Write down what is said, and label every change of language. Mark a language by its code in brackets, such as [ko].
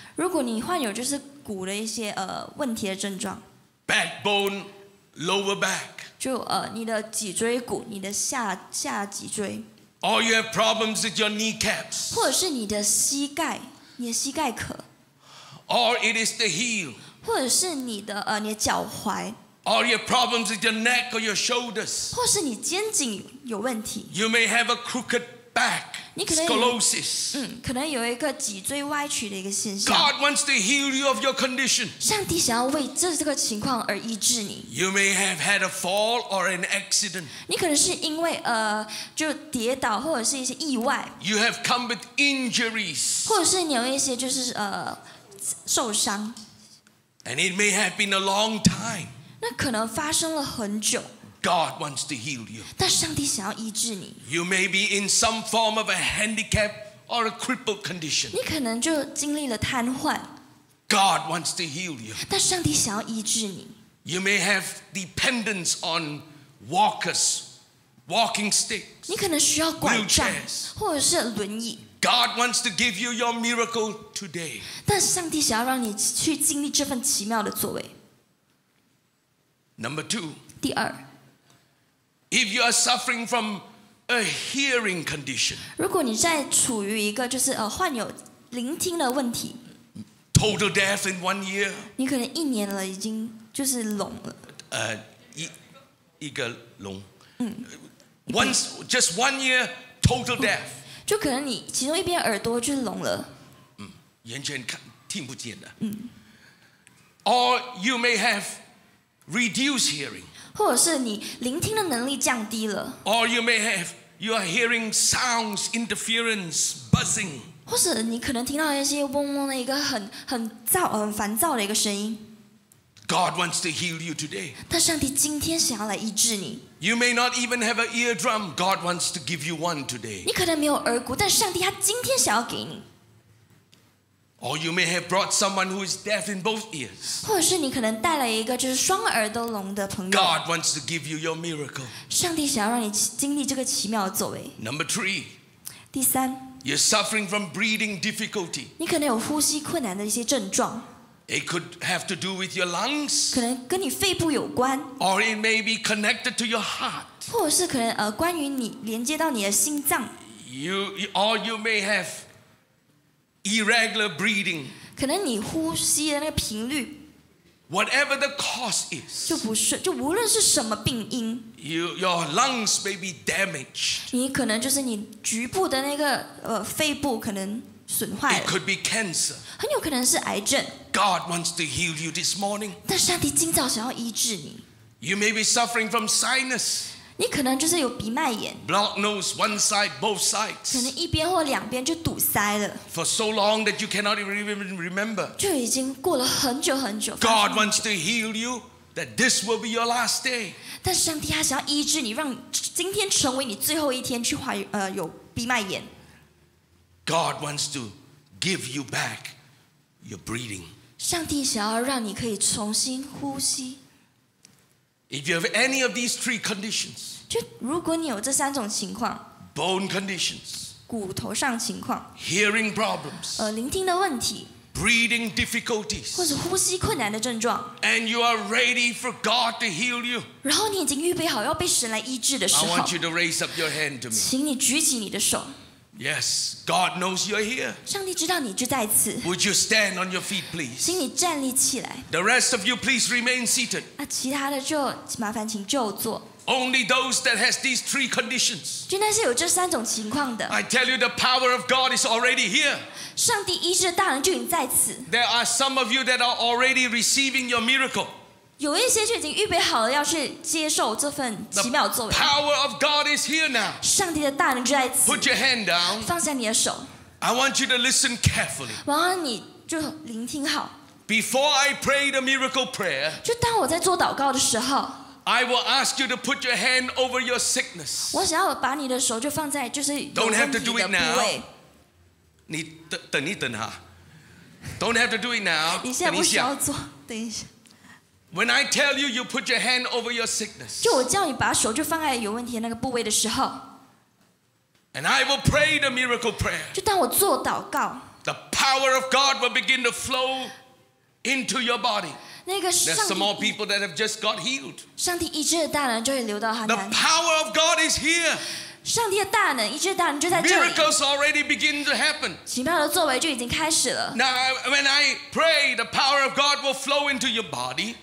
[zh] 如果你患有就是骨的一些问题的症状。 [en] Backbone, lower back. [zh] 就你的脊椎骨，你的下脊椎。 [en] Or you have problems with your kneecaps. [zh] 或者是你的膝盖，你的膝盖壳。 [en] Or it is the heel. [zh] 或者是你的你的脚踝。 [en] Or your problems with your neck or your shoulders. [zh] 或是你肩颈有问题。 [en] You may have a crooked back. Scoliosis. [zh] 可能有一个脊椎歪曲的一个现象。 [en] God wants to heal you of your condition. [zh] 上帝想要为这个情况而医治你。 [en] You may have had a fall or an accident. [zh] 你可能是因为就跌倒或者是一些意外。 [en] You have come with injuries. [zh] 或者是你有一些就是受伤。 [en] And it may have been a long time. [zh] 那可能发生了很久。 [en] God wants to heal you. [zh] 但上帝想要医治你。 [en] You may be in some form of a handicap or a crippled condition. [zh] 你可能就经历了瘫痪。 [en] God wants to heal you. [zh] 但上帝想要医治你。 [en] You may have dependence on walkers, walking sticks, [zh] 你可能需要拐杖或者是轮椅。 [en] God wants to give you your miracle today. [zh] 但上帝想要让你去经历这份奇妙的作为。 [en] Number two. [zh] 第二。 [en] If you are suffering from a hearing condition. [zh] 如果你在处于一个就是患有聆听的问题。 [en] Total deaf in one ear. [zh] 你可能一年了已经就是聋了。一个聋。 [en] Just one ear total deaf. [zh] 就可能你其中一边耳朵就聋了，完全看听不见的。 [en] Or you may have reduced hearing， [zh] 或者是你聆听的能力降低了。 [en] Or you may have you are hearing sounds interference buzzing， [zh] 或者你可能听到一些嗡嗡的一个很躁、很烦躁的一个声音。 [en] God wants to heal you today. [zh] 但上帝今天想要来医治你。 [en] You may not even have an eardrum. God wants to give you one today. [zh] 你可能没有耳骨，但上帝他今天想要给你。 [en] Or you may have brought someone who is deaf in both ears. [zh] 或者是你可能带来一个就是双耳都聋的朋友。 [en] God wants to give you your miracle. [zh] 上帝想要让你经历这个奇妙的作为。 [en] Number three. [zh] 第三。 [en] You're suffering from breathing difficulty. [zh] 你可能有呼吸困难的一些症状。 [en] It could have to do with your lungs. [zh] 可能跟你肺部有关。 [en] Or it may be connected to your heart. [zh] 或者是可能关于你连接到你的心脏。 [en] Or you may have irregular breathing. [zh] 可能你呼吸的那个频率。 [en] Whatever the cause is. [zh] 就无论是什么病因。 [en] Your lungs may be damaged. [zh] 你可能就是你局部的那个肺部可能损坏了。 [en] It could be cancer. [zh] 很有可能是癌症。 [en] God wants to heal you this morning. [zh] 但上帝今早想要医治你。 [en] You may be suffering from sinus. [zh] 你可能就是有鼻脉炎。 [en] Blocked nose, one side, both sides. [zh] 可能一边或两边就堵塞了。 [en] For so long that you cannot even remember. [zh] 就已经过了很久很久。 [en] God wants to heal you that this will be your last day. [zh] 但上帝他想要医治你，让今天成为你最后一天去患有鼻脉炎。 [en] God wants to give you back. You're breathing. [zh] 上帝想要让你可以重新呼吸。 [en] If you have any of these three conditions, [zh] 就如果你有这三种情况 [en] ，bone conditions， [zh] 骨头上情况 [en] ，hearing problems， [zh] 聆听的问题 [en] ，breathing difficulties， [zh] 或者呼吸困难的症状 [en] ，and you are ready for God to heal you， [zh] 然后你已经预备好要被神来医治的时候 [en] ，I want you to raise up your hand to me， [zh] 请你举起你的手。 [en] Yes, God knows you're here. [zh] 上帝知道你就在此。 [en] Would you stand on your feet, please? [zh] 请你站立起来。 [en] The rest of you, please remain seated. [zh] 那其他的就麻烦请就坐。 [en] Only those that has these three conditions. [zh] 就那些有这三种情况的。 [en] I tell you, the power of God is already here. [zh] 上帝医治的大能就已经在此。 [en] There are some of you that are already receiving your miracle. [zh] 有一些就已经预备好了要去接受这份奇妙作为。 [en] The power of God is here now. [zh] 上帝的大能就在此。 [en] Put your hand down. [zh] 放下你的手。 [en] I want you to listen carefully. [zh] 我要你就聆听好。 [en] Before I pray the miracle prayer. [zh] 就当我在做祷告的时候。 [en] I will ask you to put your hand over your sickness. [zh] 我想要把你的手就放在就是有问题的部位。 [en] Don't have to do it now. [zh] 你等一等哈。 [en] Don't have to do it now. [zh] 你现在不需要做，等一下。 [en] When I tell you, you put your hand over your sickness. [zh] 就我叫你把手就放在有问题的那个部位的时候。 [en] And I will pray the miracle prayer. [zh] 就当我做祷告。 [en] The power of God will begin to flow into your body. [zh] 那个上帝。 [en] There's some more people that have just got healed. [zh] 上帝医治的大能就会流到他们。 [en] The power of God is here. [zh] 上帝的大能，医治的大能就在这里。 [en] Miracles already begin to happen. [zh] 奇妙的作为就已经开始了。 [en] Now when I pray, the power of God will flow into your body.